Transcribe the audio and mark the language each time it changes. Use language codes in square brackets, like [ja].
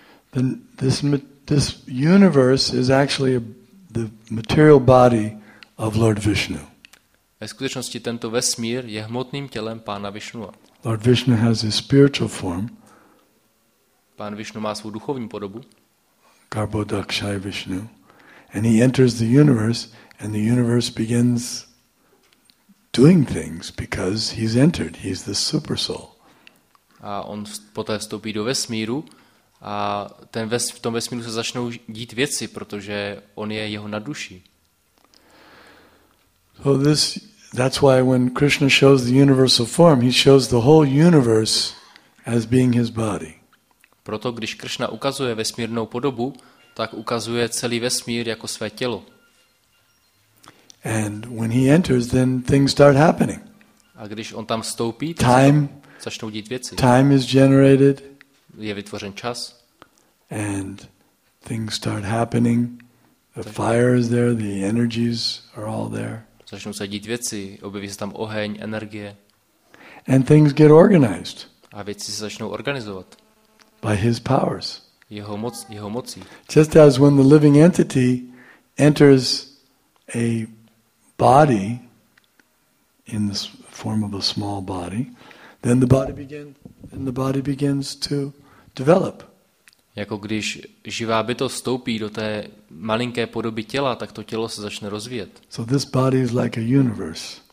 [en] Then this universe is actually the material body of Lord Vishnu. [cs] Ve skutečnosti tento vesmír je hmotným tělem pána Vishnua. [en] Lord Vishnu has his spiritual form. [cs] Pán Vishnu má svou duchovní podobu. [en] Garbhodakshaya Vishnu. And he enters the universe and the universe begins doing things because he's entered. He's the super soul. [cs] A on poté vstoupí do vesmíru a v tom vesmíru se začnou dít věci, protože on je jeho nadduší. [en] So this That's why when Krishna shows the universal form, he shows the whole universe as being his body. [cs] Proto když Krishna ukazuje vesmírnou podobu, tak ukazuje celý vesmír jako své tělo. [en] And when he enters, then things start happening. [cs] A když on tam vstoupí, tak začnou dít věci. [en] Time is generated. [cs] Je vytvořen čas. [en] And things start happening. The fire is there, the energies are all there. [cs] Začnou se dít věci, objeví se tam oheň, energie. [en] And things get organized. [cs] A věci se začnou organizovat. [en] By his powers. [cs] Jeho mocí. [en] Just as when the living entity enters a body in the form of a small body, then the body begins to develop. [cs] Jako když živá bytost vstoupí do té malinké podoby těla, tak to tělo se začne rozvíjet. [en] So this body is like a universe.